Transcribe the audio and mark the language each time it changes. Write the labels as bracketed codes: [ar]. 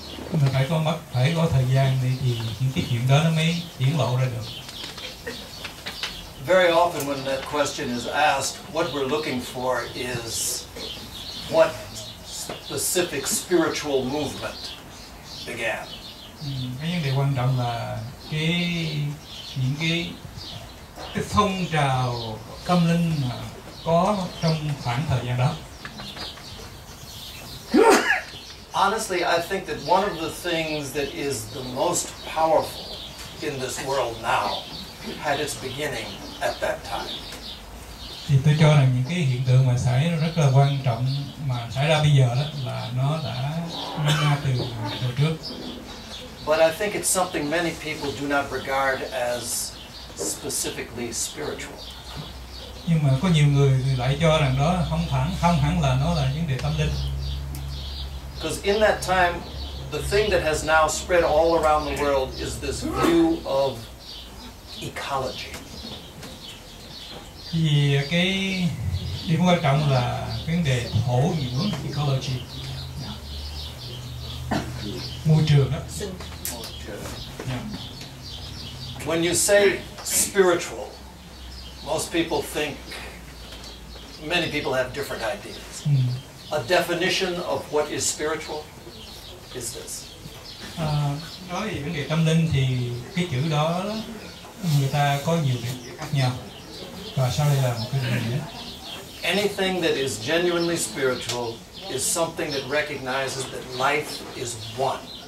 [en] Very often when that question is asked, what we're looking for is what specific spiritual movement began. [vi] Cái vấn đề quan trọng là những cái phong trào tâm linh mà có trong khoảng thời gian đó. [en] Honestly, I think that one of the things that is the most powerful in this world now had its beginning at that time. [vi] Thì tôi cho rằng những cái hiện tượng mà xảy ra rất là quan trọng mà xảy ra bây giờ đó là nó đã diễn ra từ trước. [en] But I think it's something many people do not regard as specifically spiritual. [vi] Nhưng mà có nhiều người lại cho rằng đó không hẳn là nó là vấn đề tâm linh. [en] Because in that time, the thing that has now spread all around the world is this view of ecology. [vi] Thì cái điểm quan trọng là vấn đề thổ nhưỡng, ecology. Môi trường đó. [en] When you say spiritual, most people think, many people have different ideas. A definition of what is spiritual is this. [vi] Nói về vấn đề tâm linh thì cái chữ đó người ta có nhiều cái khác nhau. Và sau đây là một cái định nghĩa. [en] Anything that is genuinely spiritual is something that recognizes that life is one.